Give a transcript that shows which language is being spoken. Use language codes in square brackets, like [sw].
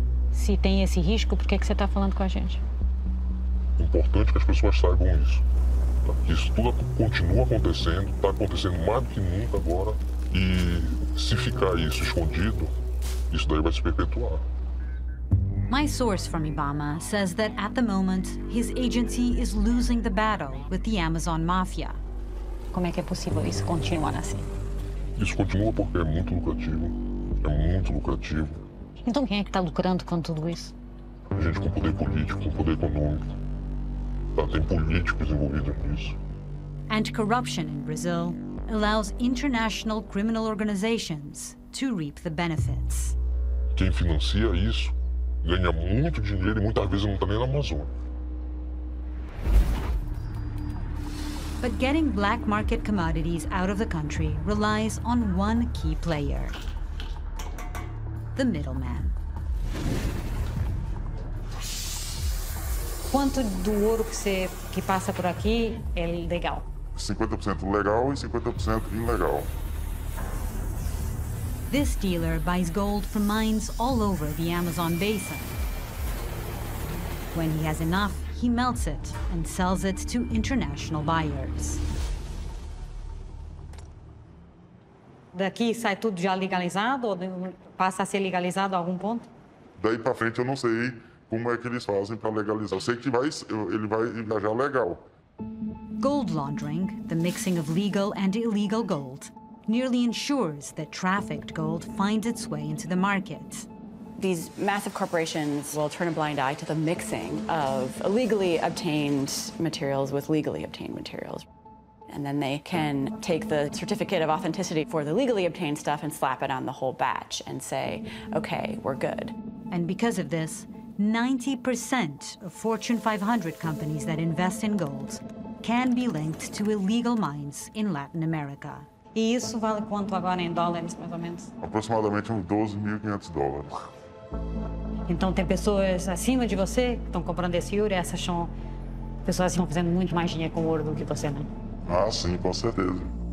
[pt] Se tem esse risco, por que é que você está falando com a gente? É importante que as pessoas saibam isso. Isso tudo continua acontecendo, está acontecendo mais do que nunca agora. E se ficar isso escondido, isso daí vai se perpetuar. [en] My source from IBAMA says that at the moment, his agency is losing the battle with the Amazon Mafia. [pt] Como é que é possível isso continuar assim? Isso continua porque é muito lucrativo. É muito lucrativo. Então quem é que está lucrando com tudo isso? A gente com poder político, com poder econômico. Tá, tem políticos envolvidos nisso. [en] And corruption in Brazil allows international criminal organizations to reap the benefits. [pt] Quem financia isso ganha muito dinheiro e muitas vezes não está nem na Amazônia. [en] But getting black market commodities out of the country relies on one key player. The middleman. [pt] Quanto do ouro que você que passa por aqui é legal? 50% legal e 50% ilegal. [en] This dealer buys gold from mines all over the Amazon basin. When he has enough, he melts it and sells it to international buyers. [pt] Daqui sai tudo já legalizado ou passa a ser legalizado a algum ponto? Daí para frente eu não sei como é que eles fazem para legalizar. Eu sei que vai, ele vai viajar legal. [en] Gold laundering, the mixing of legal and illegal gold, nearly ensures that trafficked gold finds its way into the market. These massive corporations will turn a blind eye to the mixing of illegally obtained materials with legally obtained materials. And then they can take the certificate of authenticity for the legally obtained stuff and slap it on the whole batch and say, okay, we're good. And because of this, 90% of Fortune 500 companies that invest in gold can be linked to illegal mines in Latin America. [pt] E isso vale quanto agora em dólares, mais ou menos? Aproximadamente uns 12.500 dólares. Então tem pessoas acima de você que estão comprando esse ouro e essas são pessoas que estão fazendo muito mais dinheiro com ouro do que você, né? Ah, sim, com certeza.